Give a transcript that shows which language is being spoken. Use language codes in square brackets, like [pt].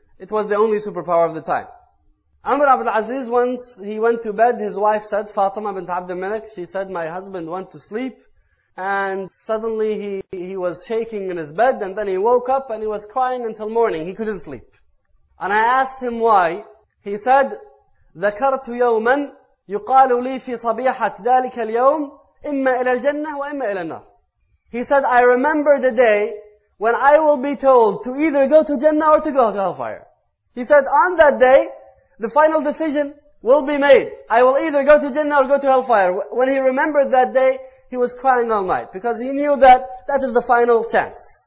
[en] It was the only superpower of the time. Amr Abdul Aziz, once he went to bed, his wife said, Fatima bint Abdul Malik, she said, my husband went to sleep, and suddenly he was shaking in his bed, and then he woke up and he was crying until morning. He couldn't sleep. And I asked him why. He said, [ar] ذَكَرْتُ يَوْمًا يُقَالُ لِي فِي صَبِيحَةْ ذَلِكَ الْيَوْمِ إِمَّا إِلَى الْجَنَّةِ وَإِمَّا إِلَى النَّارِ. [en] He said, I remember the day when I will be told to either go to Jannah or to go to hellfire. He said, on that day, the final decision will be made. I will either go to Jannah or go to hellfire. When he remembered that day, he was crying all night because he knew that that is the final chance.